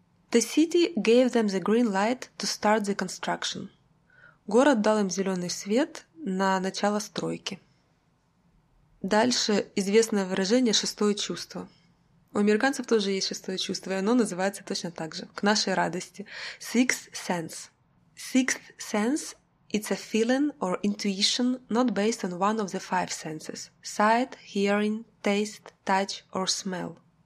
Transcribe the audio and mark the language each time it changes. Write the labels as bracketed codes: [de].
[en] The city gave them the green light to start the construction. [ru] Город дал им зеленый свет на начало стройки. Дальше известное выражение «шестое чувство». У американцев тоже есть шестое чувство, и оно называется точно так же, к нашей радости. [en] Sixth sense. Sixth sense – it's a feeling or intuition not based on one of the five senses – sight, hearing, taste, touch or smell.